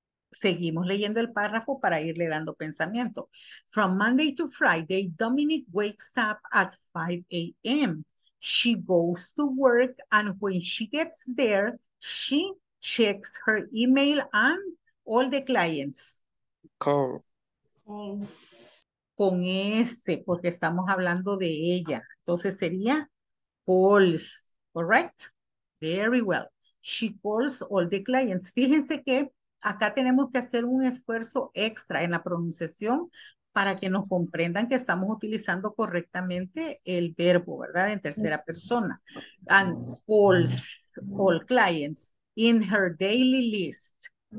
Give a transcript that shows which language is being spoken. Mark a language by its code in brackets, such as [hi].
[es] Seguimos leyendo el párrafo para irle dando pensamiento. [en] From Monday to Friday, Dominic wakes up at 5 a.m. She goes to work, and when she gets there, she checks her email and all the clients. Call. [es] Con ese, porque estamos hablando de ella. Entonces sería [en] calls, correct? Very well. She calls all the clients. [es] Fíjense que acá tenemos que hacer un esfuerzo extra en la pronunciación para que nos comprendan que estamos utilizando correctamente el verbo, ¿verdad? En tercera persona. [en] And calls all clients in her daily list.